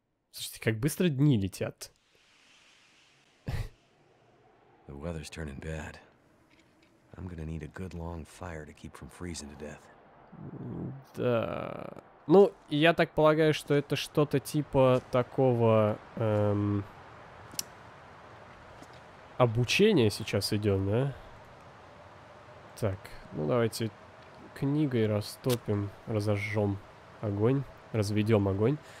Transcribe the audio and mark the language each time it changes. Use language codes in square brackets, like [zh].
[ru] Слушайте, как быстро дни летят. [en] The weather's turning bad. I'm gonna need a good long fire to keep from freezing to death. [ru] Да... Ну, я так полагаю, что это что-то типа такого обучения сейчас идет, да? Так, ну давайте книгой растопим, разожжем огонь, разведем огонь.